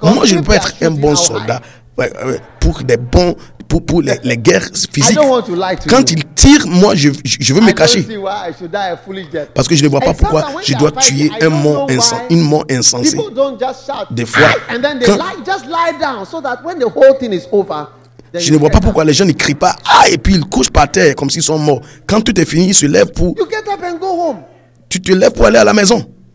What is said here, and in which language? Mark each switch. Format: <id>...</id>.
<fr>Moi, je ne peux pas être un bon soldat pour des bons pour les guerres physiques.</fr> <en>I don't want to lie to</en> <fr>quand</fr> <en>you.</en> <fr>Ils tirent, moi, je veux</fr> <en>I</en> <fr>me cacher.</fr> <en>Die a foolish death.</en> <fr>Parce que je ne vois pas</fr> <en>and</en> <fr>pourquoi je dois tuer un mort insensé, une mort insensée.</fr> <en>People don't just shout.</en> <fr>Des fois,</fr> <en>and then they lie, just lie down so that when the whole thing is over.</en> <fr>Je ne vois pas pourquoi les gens ne crient pas « Ah !» et puis ils couchent par terre comme s'ils sont morts. Quand tout est fini, ils se lèvent pour...</fr> <en>You get up and go home.</en> <fr>Tu te lèves pour aller à la maison.</fr>